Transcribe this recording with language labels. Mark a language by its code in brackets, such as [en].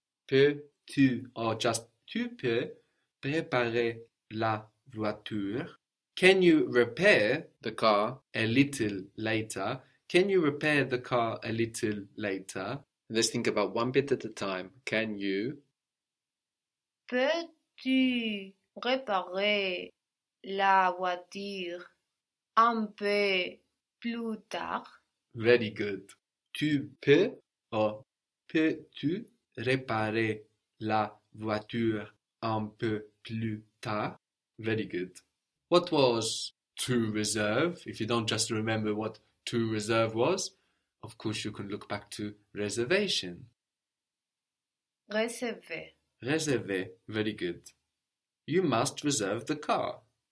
[fr] Peux-tu, [en] or just [fr] tu peux, préparer la voiture? [en] Can you repair the car a little later? Can you repair the car a little later? Let's think about one bit at a time. Can you? [fr] Peux-tu réparer la voiture un peu plus tard? [en] Very good. [fr] Tu peux, [en] or [fr] peux-tu réparer la voiture un peu plus tard? [en] Very good. What was to reserve? If you don't just remember what to reserve was, of course you can look back to reservation. [fr] Réserver. [en] Réserver, very good. You must reserve the car.